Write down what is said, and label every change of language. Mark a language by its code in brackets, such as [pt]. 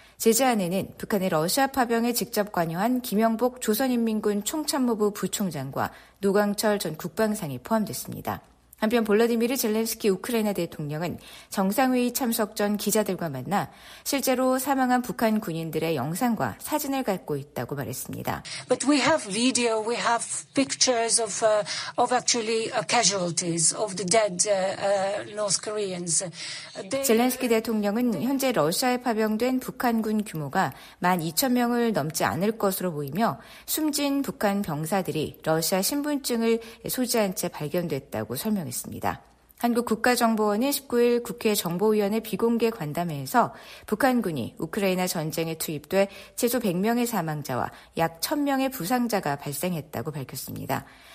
[ko] 제재안에는 북한의 러시아 파병에 직접 관여한 김영복 조선인민군 총참모부 부총장과 노광철 전 국방상이 포함됐습니다. 한편 볼로디미르 젤렌스키 우크라이나 대통령은 정상회의 참석 전 기자들과 만나 실제로 사망한 북한 군인들의 영상과 사진을 갖고 있다고 말했습니다. [en] But we have video, we have pictures of casualties of the dead North Koreans. [ko] 젤렌스키 대통령은 현재 러시아에 파병된 북한군 규모가 12,000명을 넘지 않을 것으로 보이며 숨진 북한 병사들이 러시아 신분증을 소지한 채 발견됐다고 설명. 했습니다. 한국 국가정보원은 19일 국회 정보위원회 비공개 관담회에서 북한군이 우크라이나 전쟁에 투입돼 최소 100명의 사망자와 약 1,000명의 부상자가 발생했다고 밝혔습니다.